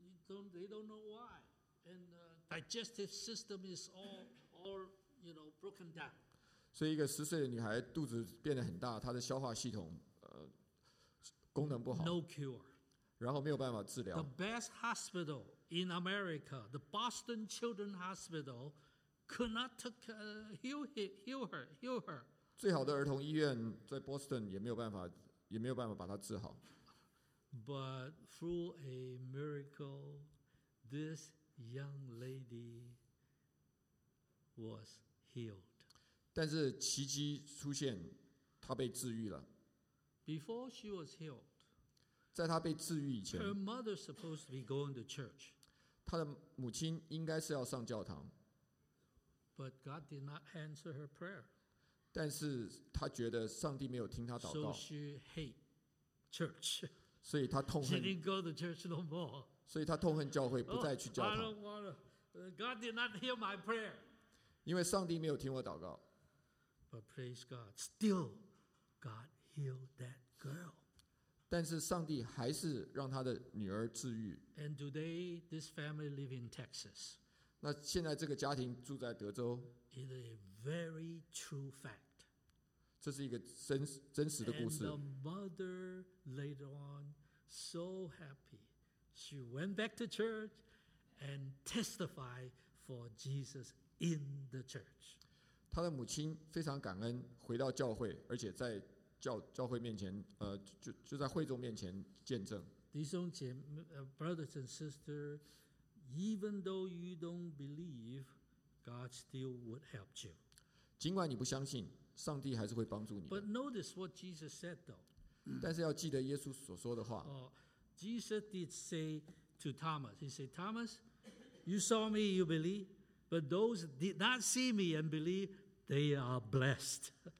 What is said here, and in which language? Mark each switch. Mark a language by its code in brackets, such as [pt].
[en] And they don't know why. And the digestive system is all you know, broken down. [zh] 所以一个十岁的女孩肚子变得很大，她的消化系统功能不好。 [en] No cure. [zh] 然后没有办法治疗。 [en] The best hospital in America, the Boston Children's Hospital,could not heal her. [zh] 最好的儿童医院在 Boston 也没有办法把她治好。 [en] But through a miracle, this young lady was healed. [zh] 但是奇迹出现，她被治愈了。 [en] Before she was healed, [zh] 在她被治愈以前 [en] ，her mother supposed to be going to church. [zh] 她的母亲应该是要上教堂。 [en] But God did not answer her prayer. [zh] 但是他觉得上帝没有听他祷告。 [en] So she hate church. [zh] 所以他痛恨。 [en] She didn't go to church no more. [zh] 所以他痛恨教会，不再去教堂。 [en] I don't want to. God did not hear my prayer. [zh] 因为上帝没有听我祷告。 [en] But praise God, still God healed that girl. [zh] 但是上帝还是让他的女儿治愈。 [en] And today, this family live in Texas. [zh] 那现在这个家庭住在德州。 [en] It is a very true fact. [zh] 这是一个真实的故事。 [en] And the mother later on so happy, she went back to church and testified for Jesus in the church. [zh] 她的母亲非常感恩，回到教会，而且在教会面前，就在会众面前见证。弟兄姐妹 [en] ，brothers and sisters. Even though you don't believe, God still would help you. [zh] 尽管你不相信，上帝还是会帮助你。 [en] But notice what Jesus said, though. [zh] 但是要记得耶稣所说的话。 [en] Jesus did say to Thomas, He said, Thomas, you saw me, you believe, but those did not see me and believe, they are blessed.